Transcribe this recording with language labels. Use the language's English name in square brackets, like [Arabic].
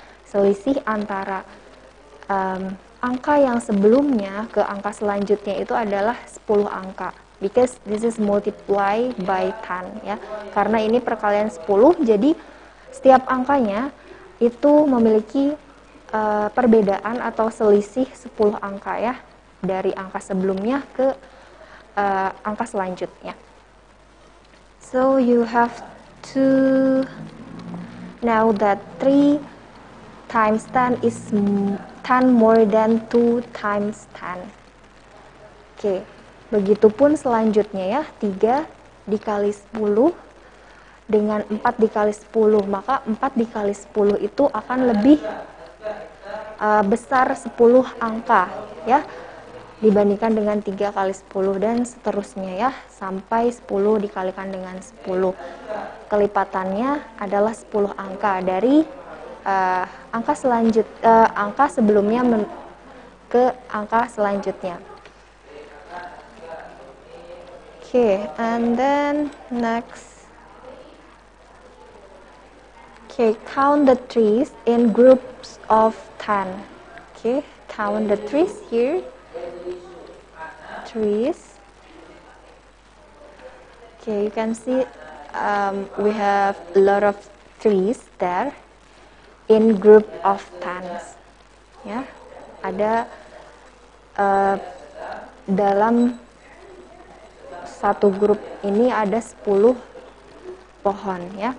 [Indonesian] Selisih antara angka yang sebelumnya ke angka selanjutnya itu adalah 10 angka, [English] because this is multiply by 10, [Indonesian] ya. Karena ini perkalian 10, jadi setiap angkanya itu memiliki perbedaan atau selisih 10 angka, ya, dari angka sebelumnya ke angka selanjutnya. [English] So you have to know that 3 times 10 is 10 more than 2 times 10. Okay. [Indonesian] Begitupun selanjutnya, ya, 3 dikali 10 dengan 4 dikali 10, maka 4 dikali 10 itu akan lebih besar 10 angka, ya, dibandingkan dengan 3 kali 10 dan seterusnya, ya, sampai 10 dikalikan dengan 10. Kelipatannya adalah 10 angka dari angka sebelumnya ke angka selanjutnya. [English] Okay, and then next. Okay, count the trees in groups of 10. Okay, count the trees here. Trees. Okay, you can see we have a lot of trees there in group of 10. [Indonesian] Ya, yeah, ada dalam satu grup ini ada 10 pohon, ya.